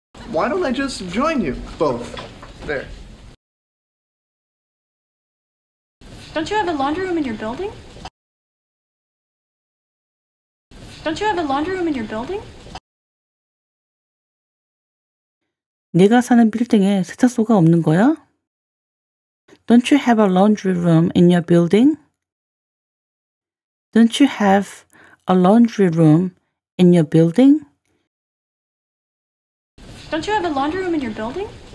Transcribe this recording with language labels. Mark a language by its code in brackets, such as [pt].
[en] Why don't I just join you both? There. Don't you have a laundry room in your building? Don't you have a laundry room in your building? [ko] 네가 사는 빌딩에 세탁소가 없는 거야? [en] Don't you have a laundry room in your building? Don't you have a laundry room in your building? Don't you have a laundry room in your building?